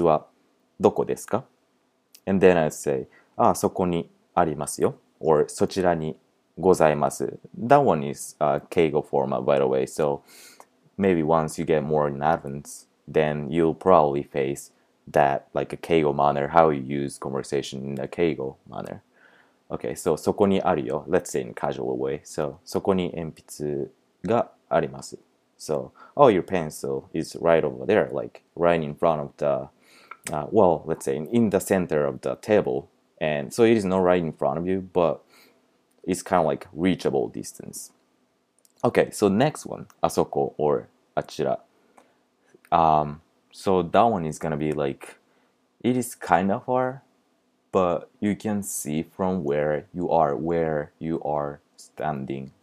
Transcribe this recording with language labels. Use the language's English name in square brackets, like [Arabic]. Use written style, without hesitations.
[Japanese] 私の鉛筆はどこですか? [English] And then I say, ah, そこにありますよ. [Japanese] Or そちらにございます. [English] That one is a Keigo format, by the way. So maybe once you get more in advance, then you'll probably face that like a Keigo manner, how you use conversation in a Keigo manner. Okay, so そこにあるよ. Let's say in a casual way. [Japanese] So そこに鉛筆があります. [English] So, oh, your pencil is right over there, like right in front of the, well, let's say in the center of the table. And so it is not right in front of you, but it's kind of like reachable distance. Okay, so next one, asoko or achira. So that one is gonna be like, it is kind of far, but you can see from where you are standing.